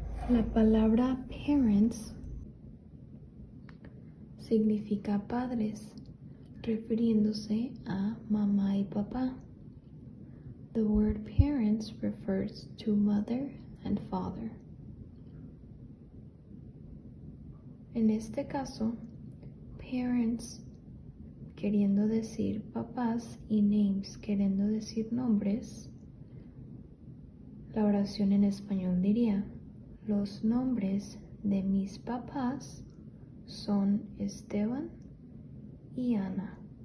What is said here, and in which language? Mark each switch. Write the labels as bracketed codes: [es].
[es] La palabra parents significa padres, refiriéndose a mamá y papá. [en] The word parents refers to mother and father. [es] En este caso, parents queriendo decir papás y names queriendo decir nombres, la oración en español diría: los nombres de mis papás son Esteban y Ana.